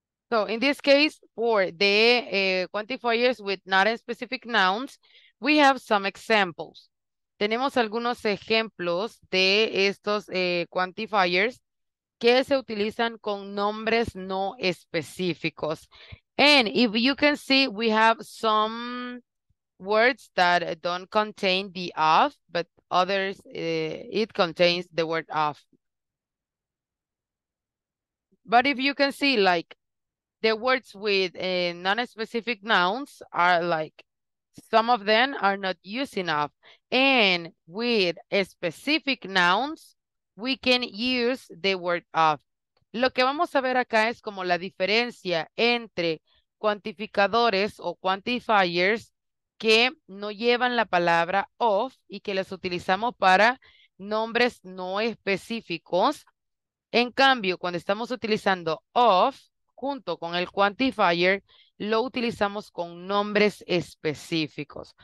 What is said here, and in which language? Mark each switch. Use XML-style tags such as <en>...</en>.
<en>So in this case, for the quantifiers with not specific nouns, we have some examples.</en> <es>Tenemos algunos ejemplos de estos quantifiers que se utilizan con nombres no específicos.</es> <en>And if you can see, we have some words that don't contain the of, but others, it contains the word of. But if you can see, like, the words with non-specific nouns are like, some of them are not used enough. And with specific nouns, we can use the word of.</en> <es>Lo que vamos a ver acá es como la diferencia entre cuantificadores o quantifiers que no llevan la palabra of y que las utilizamos para nombres no específicos. En cambio, cuando estamos utilizando of, junto con el quantifier, lo utilizamos con nombres específicos.</es>